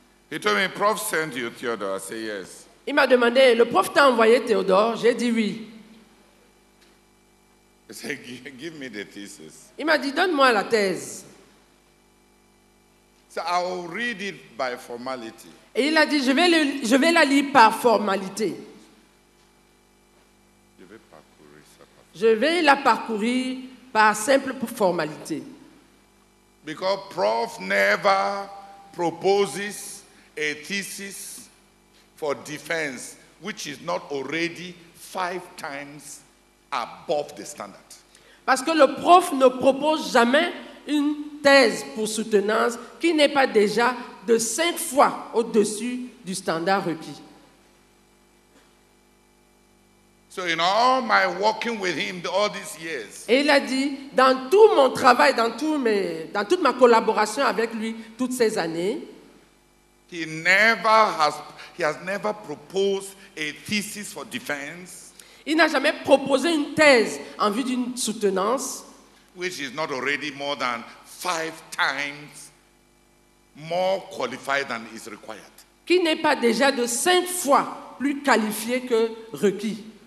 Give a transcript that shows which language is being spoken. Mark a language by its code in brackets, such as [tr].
[en] he told me, "Prof, send you Theodore." I said, "Yes." [fr] Il m'a demandé, "Le prof t'a envoyé Théodore?" J'ai dit oui. [en] He said, "Give me the thesis." [fr] Il m'a dit, donne-moi la thèse. [en] So I will read it by formality. [fr] Et il a dit, je vais la lire par formalité. Je vais parcourir ça. Je vais la parcourir par simple formalité. [en] Because prof never proposes a thesis for defense which is not already 5 times above the standard. [fr] Parce que le prof ne propose jamais une thèse pour soutenance qui n'est pas déjà de 5 fois au-dessus du standard requis. [en] So in all my working with him all these years, [fr] et il a dit, dans tout mon travail, dans toute ma collaboration avec lui toutes ces années, [en] he has never proposed a thesis for defense. [fr] Il n'a jamais proposé une thèse en vue d'une soutenance. [en] Which is not already more than 5 times more qualified than is required. [fr] Qui n'est pas déjà de 5 fois plus qualifié que requis.